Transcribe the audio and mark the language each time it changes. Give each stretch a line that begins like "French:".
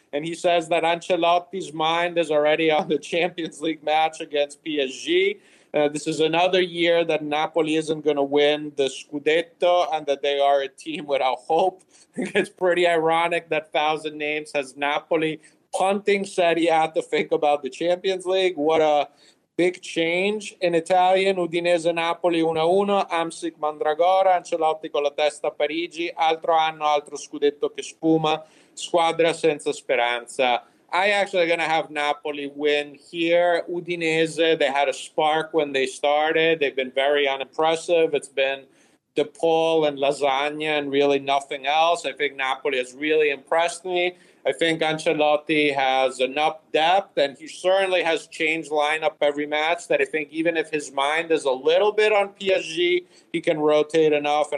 English: And he says that Ancelotti's mind is already on the Champions League match against PSG. This is another year that Napoli isn't going to win the Scudetto and that they are a team without hope. It's pretty ironic that Thousand Names has Napoli punting Serie A to think about the Champions League. What a big change in Italian.
Italian: Udinese Napoli 1-1, Amsic Mandragora, Ancelotti con la testa a Parigi, altro anno, altro scudetto che spuma, squadra senza speranza.
English: I actually gonna have Napoli win here. Udinese, they had a spark when they started. They've been very unimpressive. It's been De Paul and Lasagna and really nothing else. I think Napoli has really impressed me. I think Ancelotti has enough depth, and he certainly has changed lineup every match, that I think even if his mind is a little bit on PSG, he can rotate enough.